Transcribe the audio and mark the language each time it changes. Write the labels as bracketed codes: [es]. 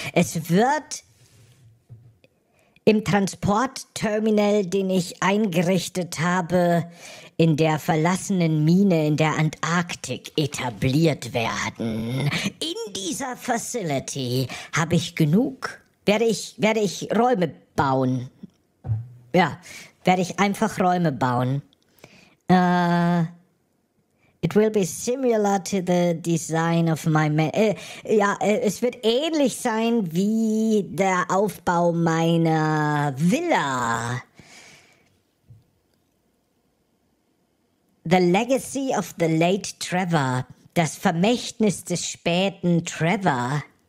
[de] Es wird im Transportterminal, den ich eingerichtet habe, in der verlassenen Mine in der Antarktik etabliert werden. In dieser Facility habe ich genug, werde ich Räume bauen. Ja. Werde ich einfach Räume bauen. [en] It will be similar to the design of my man. [de] Es wird ähnlich sein wie der Aufbau meiner Villa. [en] The legacy of the late Trevor. [de] Das Vermächtnis des späten Trevor.